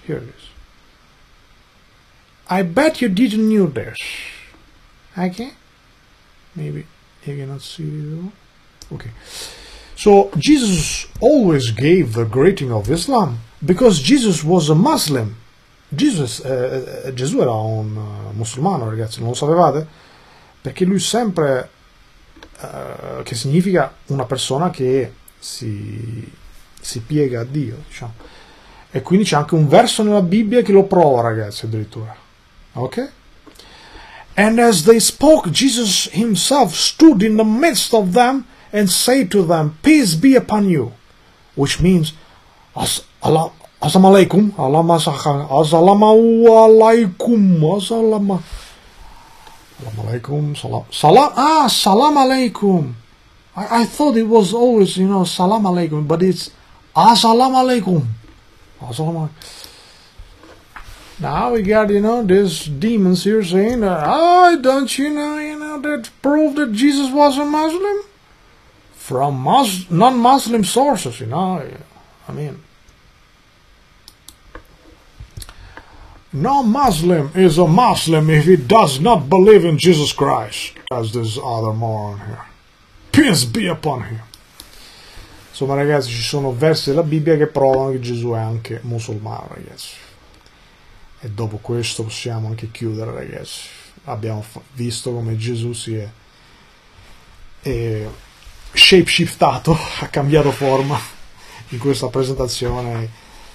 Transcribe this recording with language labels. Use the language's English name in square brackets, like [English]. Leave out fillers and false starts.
[English] Here it is. I bet you didn't know this. Okay? Maybe you cannot see it all. Okay. So, Jesus always gave the greeting of Islam because Jesus was a Muslim. [Italian] Gesù era un musulmano, ragazzi, non lo sapevate? Perché lui sempre, che significa una persona che si piega a Dio, diciamo. E quindi c'è anche un verso nella Bibbia che lo prova, ragazzi, addirittura. [English] Okay? And as they spoke, Jesus himself stood in the midst of them and said to them, peace be upon you, which means Assalamu alaikum. I thought it was always, you know, salam alaikum, but it's Assalamu alaikum. Now we got, you know, these demons here saying, don't you know, that proved that Jesus was a Muslim? From non-Muslim sources, you know, I mean. No Muslim is a Muslim if he does not believe in Jesus Christ, as this other moron here. Peace be upon him. [Italian] Insomma, ragazzi, ci sono versi della Bibbia che provano che Gesù è anche musulmano, ragazzi. E dopo questo possiamo anche chiudere, ragazzi. Abbiamo visto come Gesù si è shape-shiftato, ha cambiato forma in questa presentazione.